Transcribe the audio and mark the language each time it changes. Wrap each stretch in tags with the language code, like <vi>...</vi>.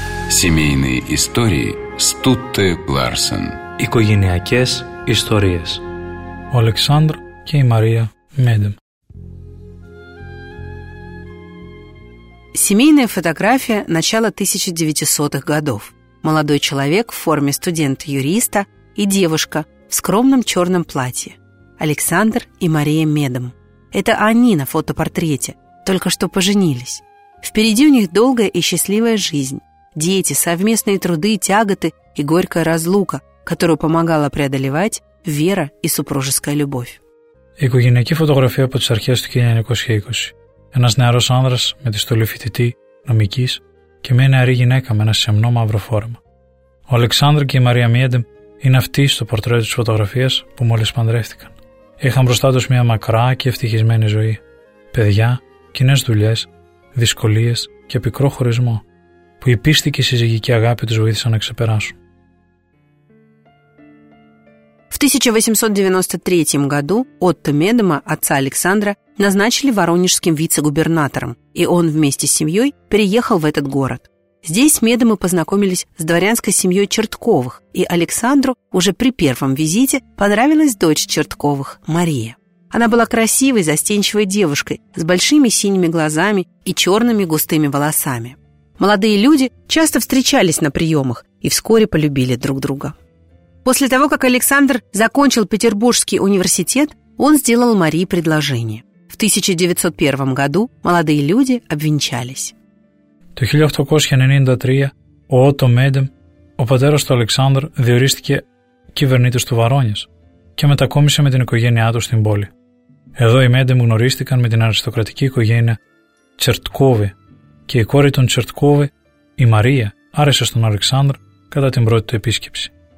<ru>Семейные истории Стутте Ларсен.</ru> <el>Οικογενειακές ιστορίες. Ο Αλεξάνδρ και η Μαρία.</el> <ru>Семейная фотография начала 1900-х годов. Молодой человек в форме студента-юриста и девушка в скромном черном платье. Александр и Мария Медом. Это они на фотопортрете, только что поженились. Впереди у них долгая и счастливая жизнь. Дети, совместные труды, тяготы и горькая разлука, которую помогала преодолевать вера и супружеская любовь.</ru> <el>Η οικογενειακή φωτογραφία από τις αρχές του 1920. Ένας νεαρός άνδρας με τη στολή φοιτητή, νομικής, και μια νεαρή γυναίκα με ένα σεμνό μαύρο φόρεμα. Ο Αλεξάνδρ και η Μαρία Μίεντεμ είναι αυτοί στο πορτρέτο της φωτογραφίας που μόλις παντρεύτηκαν. Είχαν μπροστά τους μια μακρά και ευτυχισμένη ζωή. Παιδιά, κοινές δουλειές, δυσκολίες και πικρό χωρισμό. που η πίστη και η συζυγική αγάπη τους βοήθησαν να ξεπεράσουν.</el> <ru>В 1893 году Отто Медема, отца Александра, назначили воронежским вице-губернатором, и он вместе с семьей переехал в этот город. Здесь Медемы познакомились с дворянской семьей Чертковых, и Александру уже при первом визите понравилась дочь Чертковых, Мария. Она была красивой, застенчивой девушкой, с большими синими глазами и черными густыми волосами. Молодые люди часто встречались на приемах и вскоре полюбили друг друга. После того, как Александр закончил Петербургский университет, он сделал Марии предложение. В 1901 году молодые люди обвенчались.</ru> <el>Το 1893 ο Ότο Μέντεμ, ο πατέρας του Αλεξάνδρ, διορίστηκε κυβερνήτης του Βαρόνιας και μετακόμισε με την οικογένειά του στην πόλη. Εδώ οι Μέντεμ γνωρίστηκαν με την αριστοκρατική οικογένεια Τσερτκόβη και η κόρη των Τσερτκόβη, η Μαρία, άρεσε στον Αλεξάνδρ κατά την πρώτη του επίσκεψη.</el>